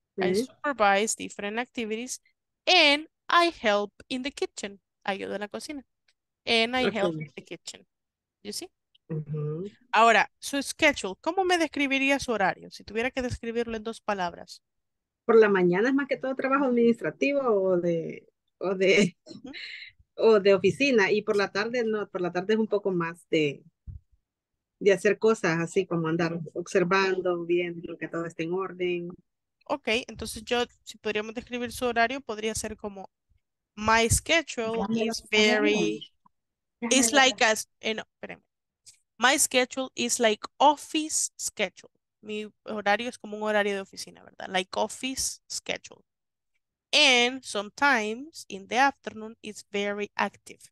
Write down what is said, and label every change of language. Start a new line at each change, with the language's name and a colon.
English: I supervise different activities and I help in the kitchen.
Spanish: Ayudo en la cocina.
English: And I help in the kitchen. You see?
Spanish: Ahora, su schedule, ¿cómo me describiría su horario? Si tuviera que describirlo en dos palabras. Por la mañana es más que todo trabajo administrativo o de oficina. Y por la tarde no, por la tarde es un poco más de hacer cosas así, como andar observando, viendo que todo esté en orden. Ok, entonces yo, si podríamos describir su horario, podría ser como,
English: my schedule is very, it's like as,
Spanish: no, espérenme.
English: My schedule is like office schedule.
Spanish: Mi horario es como un horario de oficina, ¿verdad?
English: Like office schedule. And sometimes in the afternoon it's very active.